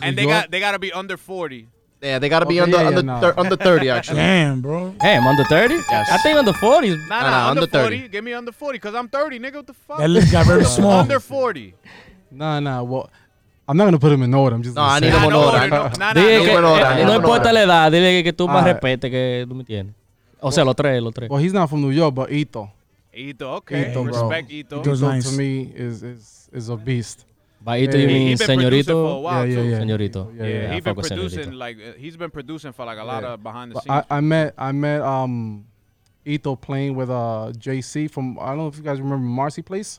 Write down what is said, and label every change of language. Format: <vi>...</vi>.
<en>And they got to be under 40. Yeah, they got to be under 30, actually. Damn, bro. Damn, under 30? Yes. I think under 40. Nah, under 30. Give me under 40, because I'm 30, nigga. What the fuck? That list got very small. Under 40. Nah. Well, I'm not going to put them in order. I'm just going to say. No, I need them in order.</en> <es>Dile que tú más respete que tú me tienes. O sea, los tres.</es> <en>Well, he's not from New York, but Ito. Ito, okay. Ito, bro. Respect Ito. Ito, nice. To me, is a beast. By Ito, you mean Señorito? Yeah. Señorito. He's been producing for like a lot of behind the scenes. I met Ito playing with JC from, I don't know if you guys remember, Marcy Place?</en>